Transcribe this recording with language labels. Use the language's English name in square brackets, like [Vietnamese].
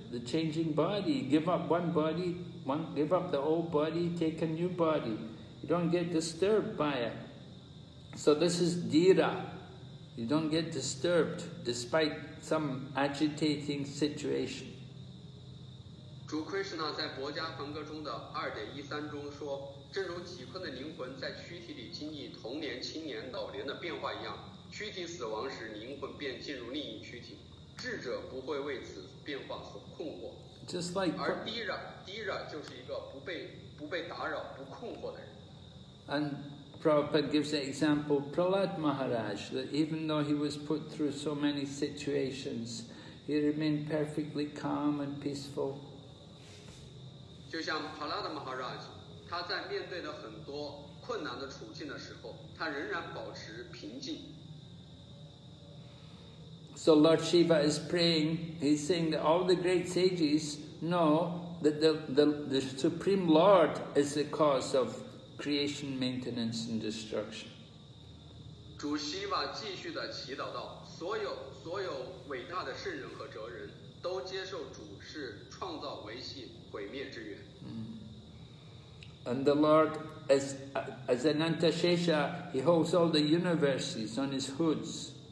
[English] The changing body, give up one body. Give up the old body, take a new body. You don't get disturbed by it. So this is dhira. You don't get disturbed despite some agitating situation. [Chinese] 主 Krishna 在博迦梵歌中的 2.13 中说，正如几坤的灵魂在躯体里经历童年、青年、老年的变化一样，躯体死亡时灵魂便进入另一躯体，智者不会为此变化所困惑。 [English] Just like, [Chinese] 而 Dhira 就是一个不被打扰、不困惑的人。 [English] And Prabhupada gives the example of Prahlad Maharaj, that even though he was put through so many situations, he remained perfectly calm and peaceful. [Chinese] 就像 Prahlad Maharaj, 他在面对了很多困难的处境的时候，他仍然保持平静。 [English] So Lord Shiva is praying, he's saying that all the great sages know that the Supreme Lord is the cause of creation, maintenance and destruction. [Chinese] 主 Shiva 继续地祈祷道，所有伟大的圣人和哲人都接受主是创造、维系、毁灭之源。 [English] And the Lord, as Ananta Shesha, he holds all the universes on his hoods.